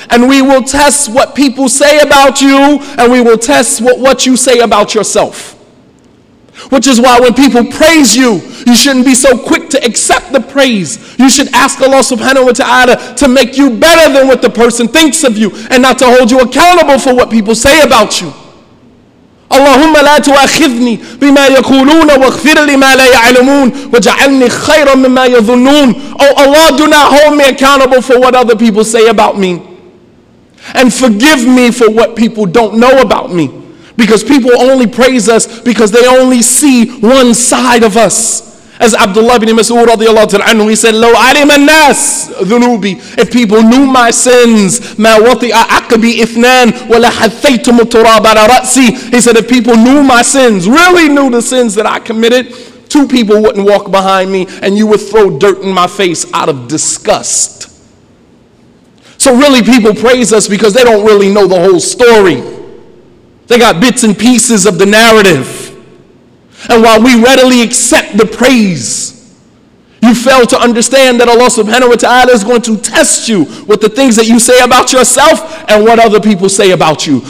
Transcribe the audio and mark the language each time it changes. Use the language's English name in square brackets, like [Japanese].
[English] And we will test what people say about you, and we will test what you say about yourself. Which is why when people praise you, you shouldn't be so quick to accept the praise. You should ask Allah subhanahu wa ta'ala to make you better than what the person thinks of you, and not to hold you accountable for what people say about you. [Arabic] اللهم لا تؤاخذني بما يقولون واغفر لي ما لا يعلمون وجعلني خيرا مما يظنون. [English] Oh Allah, do not hold me accountable for what other people say about me. And forgive me for what people don't know about me. Because people only praise us because they only see one side of us. As Abdullah ibn Mas'ud radiallahu ta'ala anhu, he said, [Arabic] لو علم الناس ذنوبي. [English] If people knew my sins, [Arabic] ما وطي أعقبي إثنان ولا حثيت متراب على رأسي. [English] He said, if people knew my sins, really knew the sins that I committed, two people wouldn't walk behind me and you would throw dirt in my face out of disgust. So really people praise us because they don't really know the whole story. They got bits and pieces of the narrative. And while we readily accept the praise, you fail to understand that Allah subhanahu wa ta'ala is going to test you with the things that you say about yourself and what other people say about you.